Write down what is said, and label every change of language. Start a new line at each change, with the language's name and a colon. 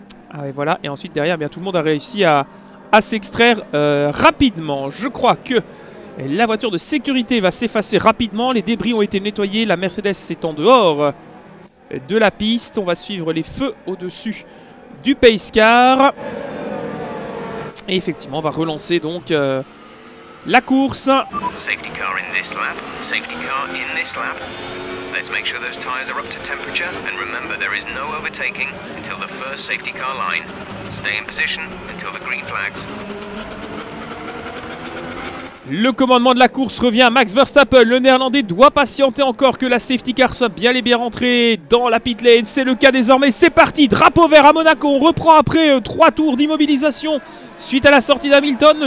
French: Ah et voilà, et ensuite derrière, bien, tout le monde a réussi à s'extraire rapidement. Je crois que la voiture de sécurité va s'effacer rapidement. Les débris ont été nettoyés, la Mercedes est en dehors de la piste. On va suivre les feux au-dessus du pace car. Et effectivement, on va relancer donc la course.
English: Safety car in this lap, safety car in this lap. Let's make sure those tires are up to temperature and remember there is no overtaking until the first safety car line. Stay in position until the green flags.
French: Le commandement de la course revient à Max Verstappen. Le Néerlandais doit patienter encore que la safety car soit bien et bien rentrée dans la pit lane. C'est le cas désormais. C'est parti. Drapeau vert à Monaco. On reprend après 3 tours d'immobilisation suite à la sortie d'Hamilton.